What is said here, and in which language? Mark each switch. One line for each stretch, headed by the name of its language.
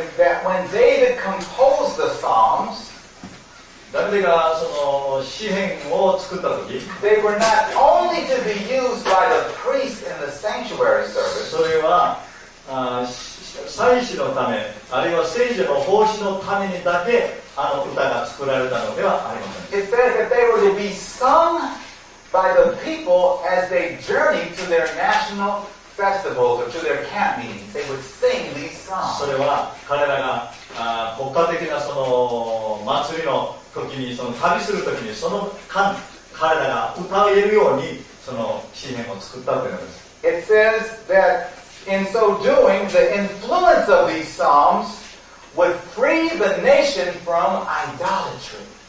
English: That when David composed the Psalms...
Japanese: ダビデがその詩編を作った時、
English: they were not only to be used by the priests in the sanctuary service.
Japanese: それは祭司のため、あるいは聖女の奉仕のためにだけあの歌が作られたのではありません。
English: It says that they were to be sung by the people as they journeyed to their national festivals or to their camp meetings. They would sing these songs.
Japanese: それは彼らが国家的なその祭りの時に、その旅する時に、その間彼らが歌えるようにその詩編を作ったというのです。
English: It says that in so doing, the influence of these psalms would free the nation from idolatry.